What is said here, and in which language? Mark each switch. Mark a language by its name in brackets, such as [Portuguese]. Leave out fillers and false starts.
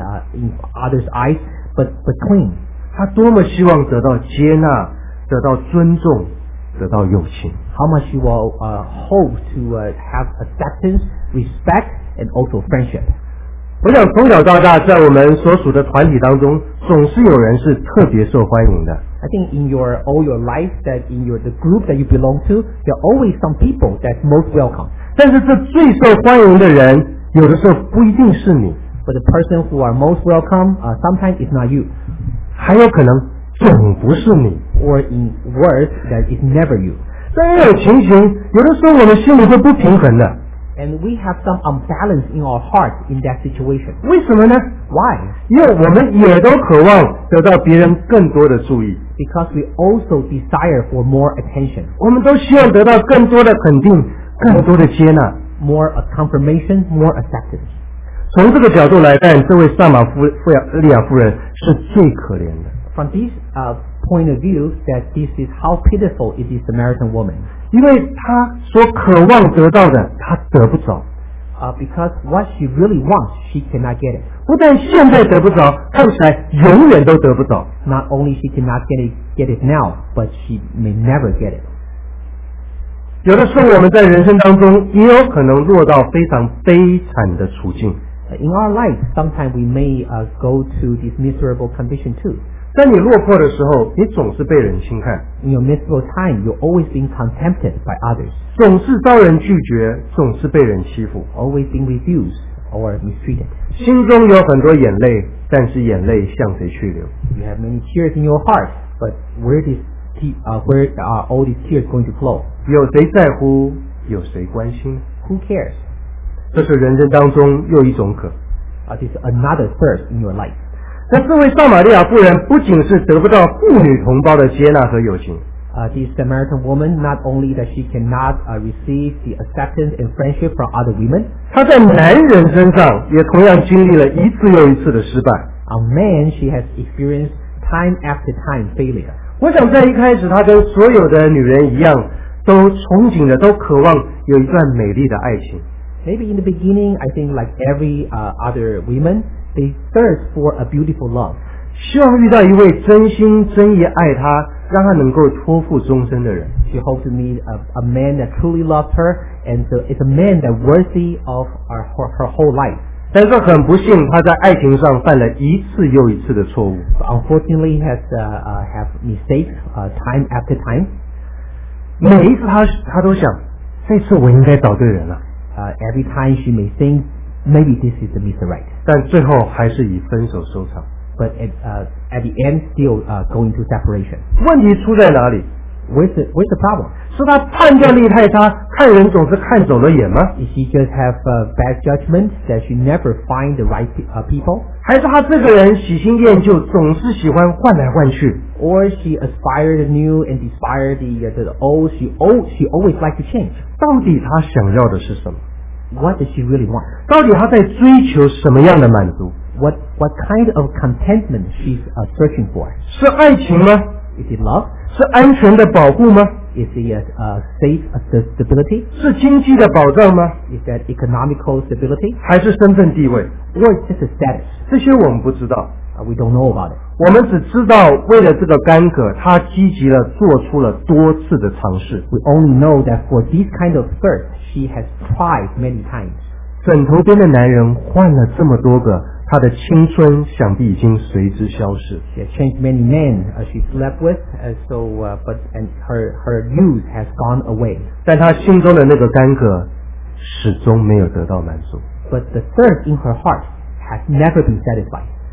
[English] How strong she hopes that she's not dirty in others' eyes, but clean. [Chinese] 他多么希望得到接纳，得到尊重，得到友情。 [English] How much she will hope to have acceptance, respect, and also friendship. [Chinese] 我想从小到大，在我们所属的团体当中，总是有人是特别受欢迎的。 [English] I think in your all your life that in your the group that you belong to, there are always some people that's most welcome. [Chinese] 但是这最受欢迎的人，有的时候不一定是你。 [English] But the person who are most welcome, sometimes it's not you. [Chinese] 还有可能总不是你。 [English] Or in words that it's never you. [Chinese] 这种情形，有的时候我们心里是不平衡的。 [English] And we have some unbalance in our heart in that situation. [Chinese] 为什么呢？ [English] Why? [Chinese] 因为我们也都渴望得到别人更多的注意。 [English] Because we also desire for more attention. [Chinese] 我们都希望得到更多的肯定，更多的接纳。 [English] More a confirmation, more acceptance. [Chinese] 从这个角度来看，这位撒玛利亚妇人是最可怜的。 [English] From this point of view, that this is how pitiful is this Samaritan woman. [Chinese] 因为她所渴望得到的，她得不着。 [English] Because what she really wants, she cannot get it. [Chinese] 不但现在得不着，看起来永远都得不着。 [English] Not only she cannot get it now, but she may never get it. [Chinese] 有的时候我们在人生当中也有可能落到非常悲惨的处境。 [English] In our life, sometimes we may go to this miserable condition too. [Chinese] 在你落魄的时候，你总是被人轻看。 [English] In your miserable time, you're always being contempted by others. [Chinese] 总是遭人拒绝，总是被人欺负。 [English] Always being refused, or mistreated. [Chinese] 心中有很多眼泪，但是眼泪向谁去流？ [English] You have many tears in your heart, but where are all these tears going to flow? [Chinese] 有谁在乎？有谁关心？ [English] Who cares? [Chinese] 这是人生当中又一种渴。 [English] This is another thirst in your life. [Chinese] 那这位撒玛利亚妇人不仅是得不到妇女同胞的接纳和友情。 [English] This Samaritan woman, not only that she cannot receive the acceptance and friendship from other women, [Chinese] 她在男人身上也同样经历了一次又一次的失败。 [English] A man, she has experienced time after time failure. [Chinese] 我想在一开始她跟所有的女人一样，都憧憬着，都渴望有一段美丽的爱情。 [English] Maybe in the beginning, I think like every other woman, they thirst for a beautiful love. [Chinese] 希望遇到一位真心真意爱她，让他能够托付终身的人。 [English] She hoped to meet a man that truly loved her, and so it's a man that worthy of her whole life. [Chinese] 但是很不幸，他在爱情上犯了一次又一次的错误。 [English] But unfortunately, has have mistakes time after time. [Chinese] 每一次他都想，这次我应该找对人了。 [English] Every time she may think, maybe this is the Mr. Right. [Chinese] 但最后还是以分手收场。 [English] But at the end, still going to separation. [Chinese] 问题出在哪里？ [English] Where's the problem? [Chinese] 是他判断力太差，看人总是看走了眼吗？ [English] Is she just have a bad judgment that she never find the right people? [Chinese] 还是他这个人喜新厌旧，总是喜欢换来换去？ [English] Or she aspire the new and despise the old. She always like to change. [Chinese] 到底他想要的是什么？ [English] What does she really want? [Chinese] 到底他在追求什么样的满足？ [English] What kind of contentment she's searching for? [Chinese] 是爱情吗？ [English] Is it love? [Chinese] 是安全的保护吗？ [English] Is it a safe stability? [Chinese] 是经济的保障吗？ [English] Is that economical stability? [Chinese] 还是身份地位？ [English] Or just a status? [Chinese] 这些我们不知道。 [English] We don't know about it. [Chinese] 我们只知道为了这个干渴，她积极地做出了多次的尝试。 [English] We only know that for this kind of thirst, she has tried many times. [Chinese] 枕头边的男人换了这么多个，她的青春想必已经随之消逝。 [English] She has changed many men she slept with, and her youth has gone away. [Chinese] 但她心中的那个干渴始终没有得到满足。 [English] But the thirst in her heart has never been satisfied.